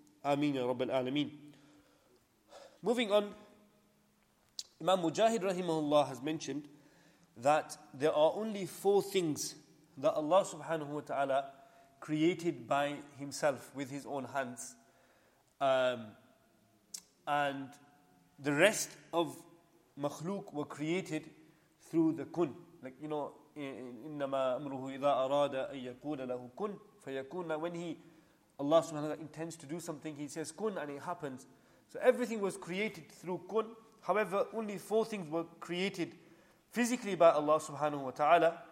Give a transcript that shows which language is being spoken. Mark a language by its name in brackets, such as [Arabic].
[English] Ameen ya Rabbil Alameen. Moving on, Imam Mujahid rahimahullah has mentioned that there are only four things that Allah subhanahu wa ta'ala created by himself with his own hands. And the rest of makhluk were created through the kun. Like, you know, [Arabic] إِنَّمَا أَمْرُهُ إِذَا أَرَادَ أَن يَقُولَ لَهُ كُن فَيَكُونَ. [English] When he, Allah subhanahu wa ta'ala intends to do something, he says kun and it happens. So everything was created through kun. However, only four things were created physically by Allah subhanahu wa ta'ala.